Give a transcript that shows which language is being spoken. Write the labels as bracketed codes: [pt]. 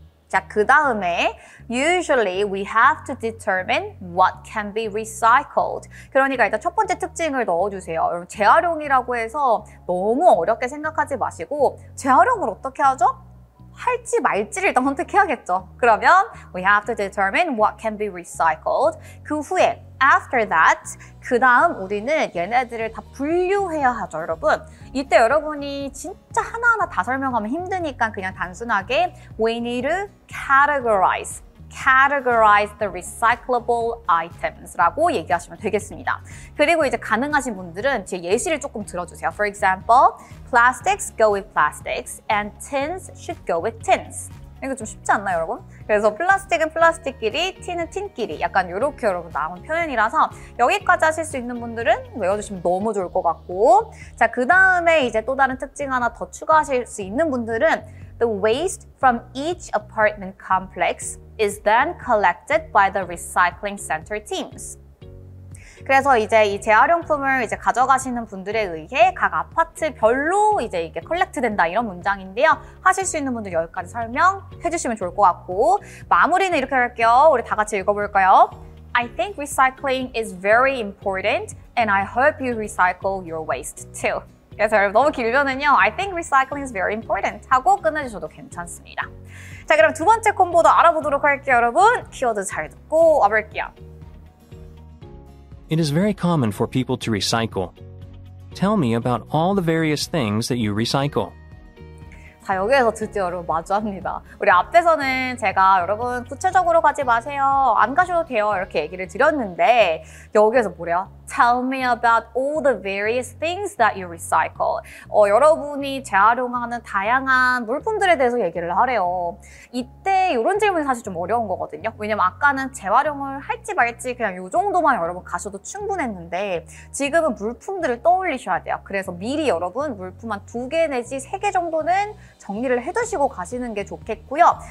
[ko] 자, 그 다음에 [en] usually we have to determine what can be recycled. [ko] 그러니까 일단 첫 번째 특징을 넣어주세요. 여러분, 재활용이라고 해서 너무 어렵게 생각하지 마시고 재활용을 어떻게 하죠? 할지 말지를 일단 선택해야겠죠. 그러면 [en] we have to determine what can be recycled. [ko] 그 후에 [en] after that, [ko] 그 다음 우리는 얘네들을 다 분류해야 하죠, 여러분. 이때 여러분이 진짜 하나하나 다 설명하면 힘드니까 그냥 단순하게 [en] we need to categorize. Categorize the recyclable items [ko] 라고 얘기하시면 되겠습니다. 그리고 이제 가능하신 분들은 제 예시를 조금 들어주세요. [en] For example, plastics go with plastics and tins should go with tins. [ko] 이거 좀 쉽지 않나요, 여러분? 그래서 플라스틱은 플라스틱끼리, 틴은 틴끼리 약간 이렇게 여러분 나온 표현이라서 여기까지 하실 수 있는 분들은 외워주시면 너무 좋을 것 같고 자, 그 다음에 이제 또 다른 특징 하나 더 추가하실 수 있는 분들은 [en] The waste from each apartment complex is then collected by the recycling center teams. [ko] 그래서 이제 이 재활용품을 이제 가져가시는 분들에 의해 각 아파트별로 이제 이게 컬렉트된다 이런 문장인데요. 하실 수 있는 분들 여기까지 설명해 주시면 좋을 것 같고 마무리는 이렇게 할게요. 우리 다 같이 읽어볼까요? [en] I think recycling is very important and I hope you recycle your waste too. [ko] 그래서 여러분 너무 길면은요 [en] I think recycling is very important [ko] 하고 끝내주셔도 괜찮습니다. 자 그럼 두 번째 콤보도 알아보도록 할게요 여러분. 키워드 잘 듣고 와볼게요. [en] It is very common for people to recycle. Tell me about all the various things that you recycle. [ko] 자 여기에서 드디어 여러분 마주합니다. 우리 앞에서는 제가 여러분 구체적으로 가지 마세요. 안 가셔도 돼요 이렇게 얘기를 드렸는데 여기에서 뭐래요? [en] Tell me about all the various things that you recycle. [ko] 여러분이 재활용하는 다양한 물품들에 대해서 얘기를 하래요. 이때 이런 질문이 사실 좀 어려운 거거든요. 왜냐면 아까는 재활용을 할지 말지 그냥 이 정도만 여러분 가셔도 충분했는데 지금은 물품들을 떠올리셔야 돼요. 그래서 미리 여러분 물품 한 두 개 내지 세 개 정도는 정리를 해두시고 가시는 게 좋겠고요.